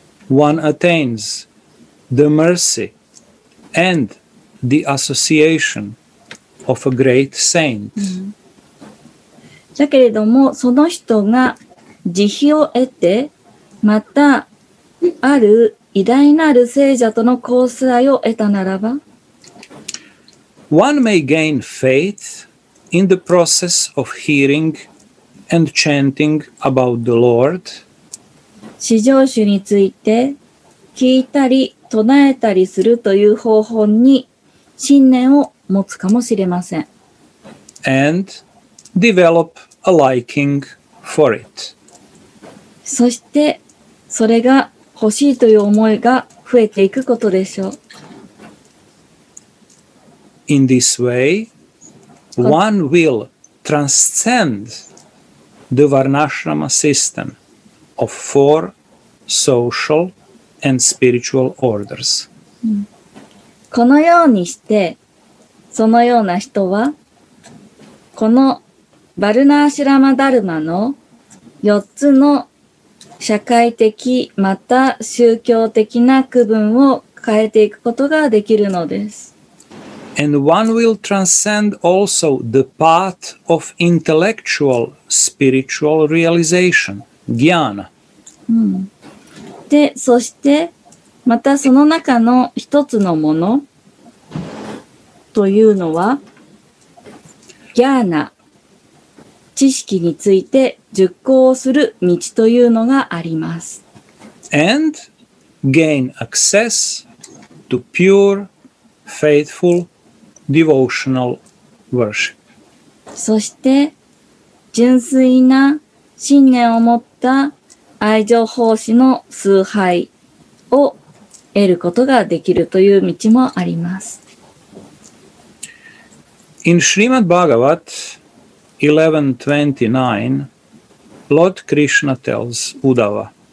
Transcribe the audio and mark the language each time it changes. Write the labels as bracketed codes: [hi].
[en] one attains the mercy and the association. Of a great saint. [ja] だけれどもその人が慈悲を得てまたある偉大なる聖者との交際を得たならば [en] One may gain faith in the process of hearing and chanting about the Lord. [ja] 至上主について聞いたり唱えたりするという方法に信念を持つかもしれません。 [en] And develop a liking for it. [ja] そしてそれが欲しいという思いが増えていくことでしょう。 [en] In this way, one will transcend the Varnashrama system of four social and spiritual orders. [ja] このようにしてそのような人は、このバルナーシュラマダルマの4つの社会的また宗教的な区分を変えていくことができるのです。 [en] And one will transcend also the path of intellectual spiritual realization, jnana. [ja] で、そしてまたその中の一つのもの、というのはギャーナ知識について熟考する道というのがあります。 [en] And gain access to pure, faithful, devotional worship. [ja] そして純粋な信念を持った愛情奉仕の崇拝を得ることができるという道もあります。 [en] In Srimad Bhagavat 11.29, Lord Krishna tells Uddhava,